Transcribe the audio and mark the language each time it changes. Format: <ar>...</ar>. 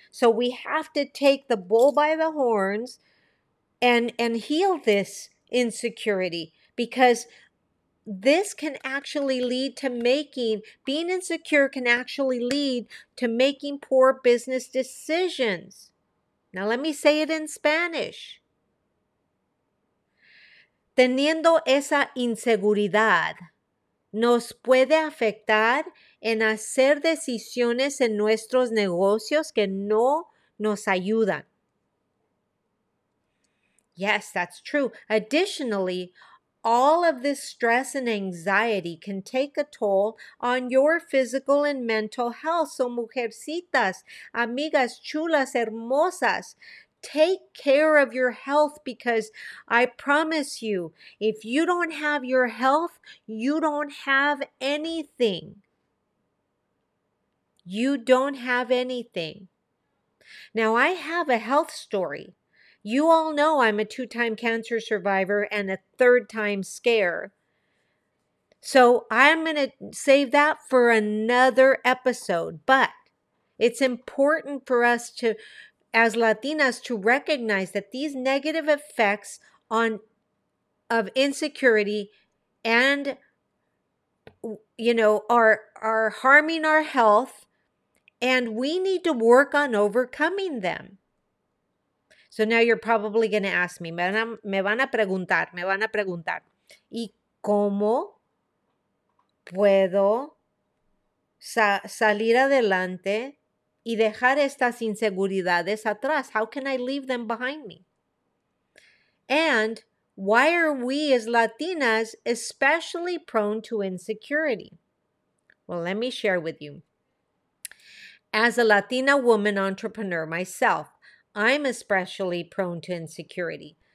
<en>So we have to take the bull by the horns and heal this insecurity, because this can actually lead to being insecure can actually lead to making poor business decisions. Now let me say it in Spanish.</en> <es>Teniendo esa inseguridad nos puede afectar en hacer decisiones en nuestros negocios que no nos ayudan.</es> <en>Yes, that's true. Additionally, all of this stress and anxiety can take a toll on your physical and mental health. So,</en> <es>mujercitas, amigas, chulas, hermosas,</es> <en>take care of your health, because I promise you, if you don't have your health, you don't have anything. You don't have anything. Now, I have a health story. You all know I'm a 2-time cancer survivor and a 3rd-time scare. So I'm going to save that for another episode. But it's important for us to, as Latinas, to recognize that these negative effects of insecurity and, you know, are harming our health, and we need to work on overcoming them. So now you're probably going to ask me,</en> <es>me van a preguntar, ¿y cómo puedo salir adelante y dejar estas inseguridades atrás?</es> <en>How can I leave them behind me? And why are we as Latinas especially prone to insecurity? Well, let me share with you. As a Latina woman entrepreneur myself, I'm especially prone to insecurity.</en>